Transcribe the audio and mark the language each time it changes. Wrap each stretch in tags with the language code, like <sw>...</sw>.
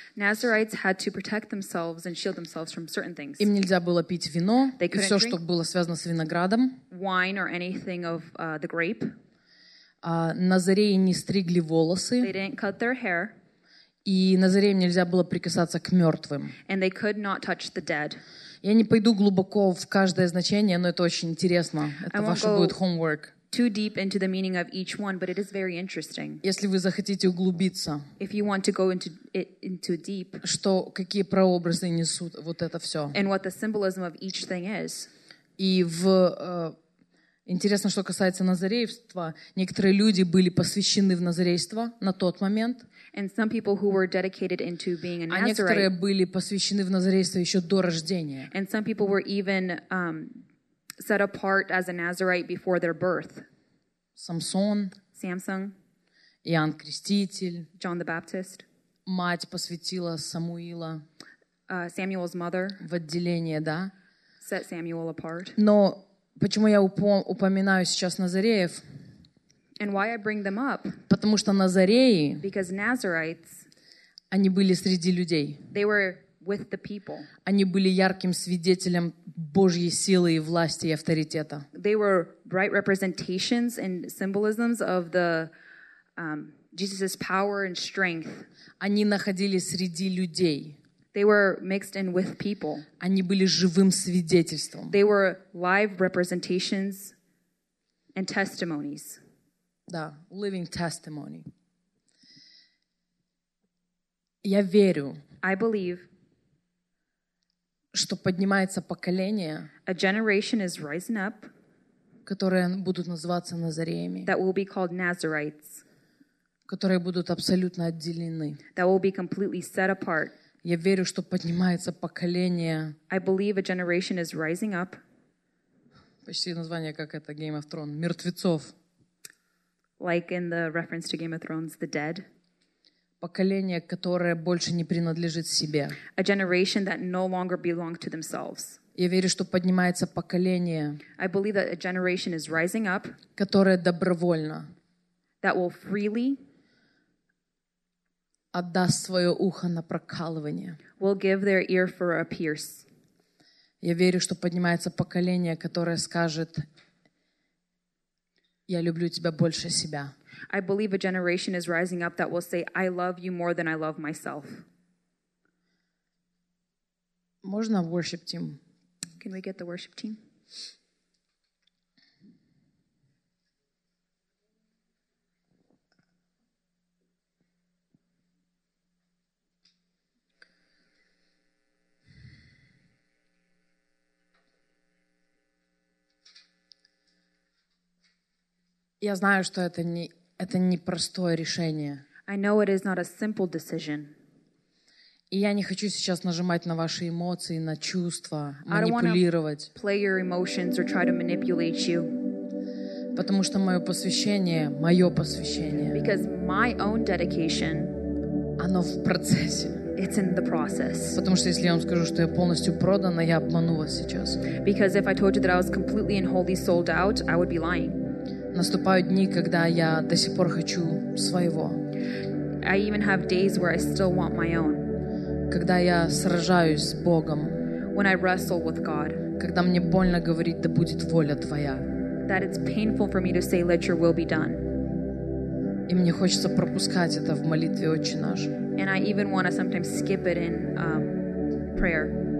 <en>Nazarites had to protect themselves and shield themselves from certain things.</en> <ru>Им нельзя было пить вино и все, что было связано с виноградом.</ru> <en>Wine or anything of the grape.</en> <ru>Назареи не стригли волосы.</ru> <en>They didn't cut their hair.</en> <ru>И Назареям нельзя было прикасаться к мертвым.</ru> <en>And they could not touch the dead.</en> <ru>Я не пойду глубоко в каждое значение, но это очень интересно. Это ваше будет homework.</ru> <en>Too deep into the meaning of each one, but it is very interesting.</en> <ru>Если вы захотите углубиться.</ru> <en>If you want to go into it into deep.</en> <ru>Что, какие прообразы несут вот это все.</ru> <en>And what the symbolism of each thing is.</en> <ru>И в... Интересно, что касается Назареевства. Некоторые люди были посвящены в Назарейство на тот момент.</ru> <en>And some people who were dedicated into being a Nazarite.</en> <ru>А некоторые были посвящены в Назарейство еще до рождения.</ru> <en>And some people were even set apart as a Nazarite before their birth.</en> <ru>Самсон.</ru> <en>Samson.</en> <ru>Иоанн Креститель.</ru> <en>John the Baptist.</en> <ru>Мать посвятила Самуила.</ru> <en>Samuel's mother.</en> <ru>В отделение, да.</ru> <en>Set Samuel apart.</en> <ru>Но почему я упоминаю сейчас Назареев?</ru> <en>And why I bring them up?</en> <ru>Потому что Назареи,</ru> <en>because Nazarites,</en> <ru>они были среди людей.</ru> <en>They were with the people.</en> <ru>Они были ярким свидетелем Божьей силы и власти и авторитета.</ru> <en>They were bright representations and symbolisms of the Jesus's power and strength.</en> <ru>Они находились среди людей.</ru> <en>They were mixed in with people.</en> <ru>Они были живым свидетельством.</ru> <en>They were live representations and testimonies.</en> <ru>Да,</ru> <en>living testimony.</en> <ru>Я верю.</ru> <en>I believe.</en> <ru>Что поднимается поколение.</ru> <en>A generation is rising up.</en> <ru>которые будут называться назареями,</ru> <en>that will be called Nazarites,</en> <ru>которые будут абсолютно отделены.</ru> <en>That will be completely set apart.</en> <ru>Я верю, что поднимается поколение.</ru> <en>I believe a generation is rising up.</en> <ru>Почти название, как это, Game of Thrones, мертвецов.</ru> <en>Like in the reference to Game of Thrones, the dead.</en> <ru>Поколение, которое больше не принадлежит себе.</ru> <en>A generation that no longer belongs to themselves.</en> <ru>Я верю, что поднимается поколение.</ru> <en>I believe that a generation is rising up.</en> <ru>Которое добровольно.</ru> <en>That will freely.</en> <ru>Отдаст свое ухо на прокалывание.</ru> <en>Will give their ear for a pierce.</en> <ru>Я верю, что поднимается поколение, которое скажет: «Я люблю тебя больше себя».</ru> <en>I believe a generation is rising up that will say, "I love you more than I love myself."</en> <ru>Можно</ru> <en>worship team? Can we get the worship team?</en> <ru>Я знаю, что это не простое решение.</ru> <en>I know it is not a simple decision.</en> <ru>И я не хочу сейчас нажимать на ваши эмоции, на чувства, манипулировать.</ru> <en>I don't wanna play your emotions or try to manipulate you.</en> <ru>Потому что мое посвящение.</ru> <en>Because my own dedication.</en> <ru>Оно в процессе.</ru> <en>It's in the process.</en> <ru>Потому что если я вам скажу, что я полностью продана, я обману вас сейчас.</ru> <en>Because if I told you that I was completely and wholly sold out, I would be lying.</en> <ru>Наступают дни, когда я до сих пор хочу своего.</ru> <en>I even have days where I still want my own.</en> <ru>Когда я сражаюсь с Богом.</ru> <en>When I wrestle with God.</en> <ru>Когда мне больно говорить: «Да будет воля Твоя».</ru> <en>That it's painful for me to say, "Let Your will be done."</en> <ru>И мне хочется пропускать это в молитве «Отче наш».</ru> <en>And I even want to sometimes skip it in prayer.</en>